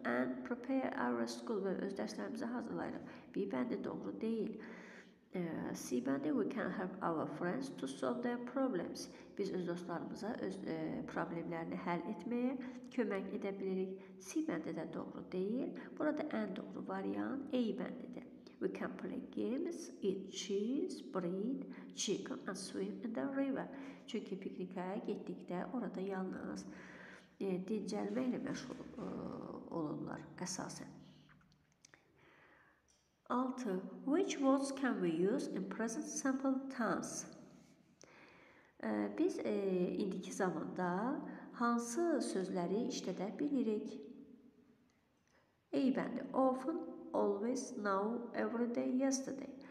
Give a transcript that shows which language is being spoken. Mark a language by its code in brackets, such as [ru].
[en] And prepare our school. [az] Və öz dərslərimizi hazırlayırıq. B bəndə doğru deyil. C bəndə [en] we can help our friends to solve their problems. [az] Biz öz dostlarımıza öz problemlərini həll etməyə kömək edə bilirik. C bəndə də doğru deyil. Burada ən doğru variant A bəndidir. [en] We can play games, eat cheese, breed chicken and swim in the river. [az] Çünki piknikə getdikdə orada yalnız dincəlməklə məşğul olurlar əsasən. 6. [en] Which words can we use in present simple tense? [az] Biz indiki zamanda hansı sözləri işlədə bilirik? A bəndi [en] often, always, now, every day, yesterday.